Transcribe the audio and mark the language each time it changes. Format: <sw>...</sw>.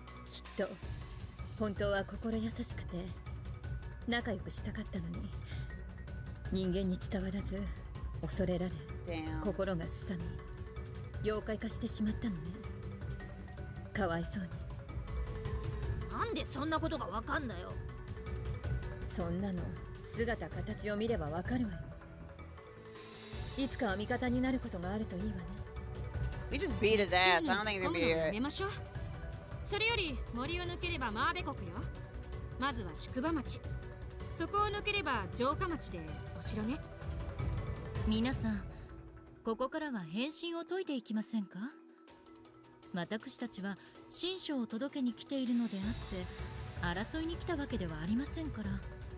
<ja>きっと本当は心優しくて仲良くしたかったのに、人間に伝わらず恐れられ心がすさみ妖怪化してしまったのね。かわいそうに。なんでそんなことがわかんだよ。そんなの姿形を見ればわかるわよ。いつかは味方になることがあるといいわね。</ja> <en>We just beat his ass. I don't think they're gonna be here.</en> <ja>それより森を抜ければマーベ国よ。まずは宿場町。そこを抜ければ城下町でお城ね。皆さん、ここからは変身を解いていきませんか。私たちは新書を届けに来ているのであって、争いに来たわけではありませんから。</ja>